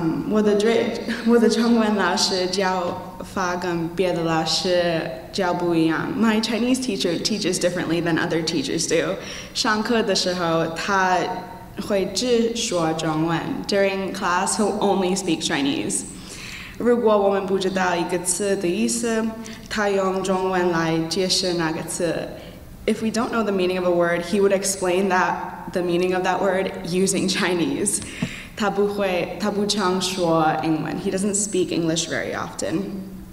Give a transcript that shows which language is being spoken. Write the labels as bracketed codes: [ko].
[zh] 我的中文老师教法跟别的老师教不一样. [en] My Chinese teacher teaches differently than other teachers do. [zh] 上课的时候，他会只说中文. [en] During class, he'll only speak Chinese. [zh] 如果我们不知道一个词的意思，他用中文来解释那个词. [en] If we don't know the meaning of a word, he would explain that the meaning of that word using Chinese. [zh] 他不会，他不常说英文. [en] He doesn't speak English very often.